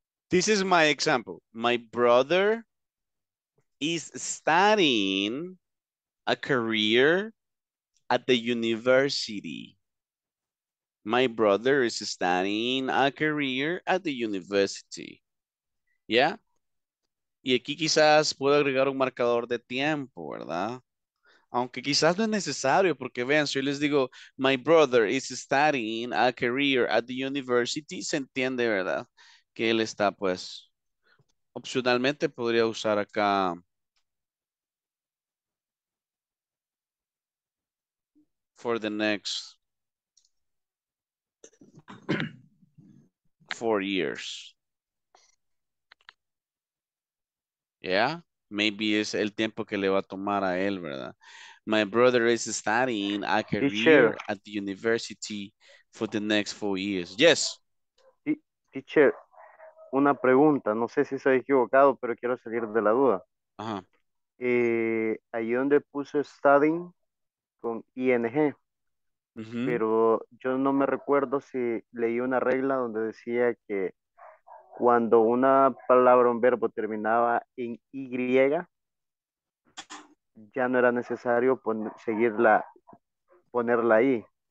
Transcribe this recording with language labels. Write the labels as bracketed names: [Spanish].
[English] This is my example. My brother is studying a career at the university. My brother is studying a career at the university. Yeah? [Spanish] Y aquí quizás puedo agregar un marcador de tiempo, ¿verdad? Aunque quizás no es necesario, porque vean, si yo les digo, [English] my brother is studying a career at the university, [Spanish] se entiende, ¿verdad? Que él está, pues, opcionalmente podría usar acá. [English] For the next 4 years. Yeah, maybe [Spanish] es el tiempo que le va a tomar a él, ¿verdad? [English] My brother is studying a career teacher at the university for the next 4 years. Yes. [Spanish] Teacher, una pregunta. No sé si soy equivocado, pero quiero salir de la duda. Ajá. Ahí donde puso studying con ING, uh-huh, pero yo no me recuerdo si leí una regla donde decía que cuando una palabra o un verbo terminaba en Y, ya no era necesario ponerla ahí.